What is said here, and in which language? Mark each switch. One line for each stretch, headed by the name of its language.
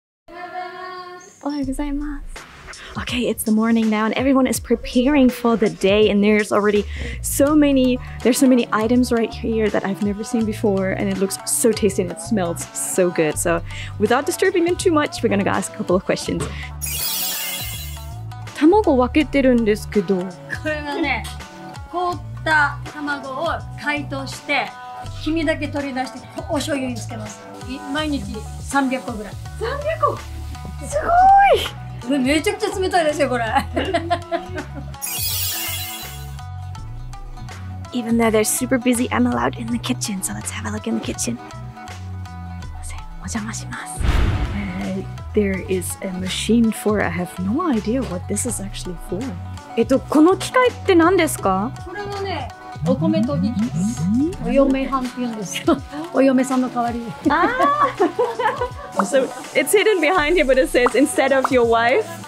English: Oh, okay, it's the morning now and everyone is preparing for the day and there's already so many, there's so many items right here that I've never seen before and it looks so tasty and it smells so good. So without disturbing them too much, we're gonna go ask a couple of questions.
Japanese: 卵を分けてるんですけど、これはね、凍った卵を解凍して黄身だけ取り出してお醤油につけます。毎日300個ぐらい。 300個すごい、めちゃくちゃ冷たいですよこれ。
English: Even though they're super busy, I'm allowed in the kitchen, so let's have a look in the kitchen.
Japanese: お邪魔します。
English: There is a machine for it. I have no idea what this is actually for.
Japanese: この機械って何ですか？これはね、お米研ぎ機です。お嫁はんって言うんですよ。お嫁さんの代わりに。
English: So it's hidden behind here, but it says instead of your wife.